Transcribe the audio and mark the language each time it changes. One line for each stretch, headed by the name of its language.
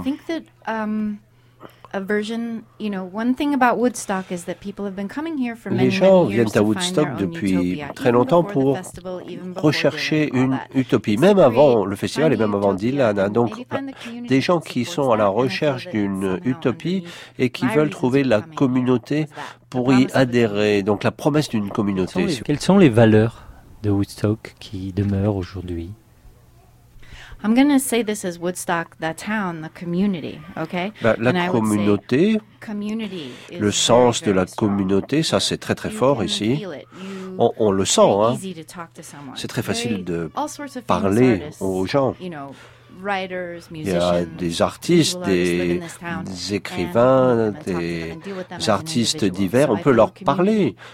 English: I think that a version, you know, one thing about Woodstock is that people have been coming here for many years.
French: Les gens viennent à Woodstock depuis très longtemps pour rechercher une utopie, même avant le festival et même avant Dylan. Donc, des gens qui sont à la recherche d'une utopie et qui veulent trouver la communauté pour y adhérer. Donc, la promesse d'une communauté. Quelles sont les valeurs de Woodstock qui demeurent aujourd'hui?
English: I'm going to say this as Woodstock, the town, the community, okay?
French: La communauté, le sens de la communauté, ça c'est très très fort ici. On le sent, hein. C'est très facile de parler aux gens. Il y a des artistes, des écrivains, des artistes divers, on peut leur parler.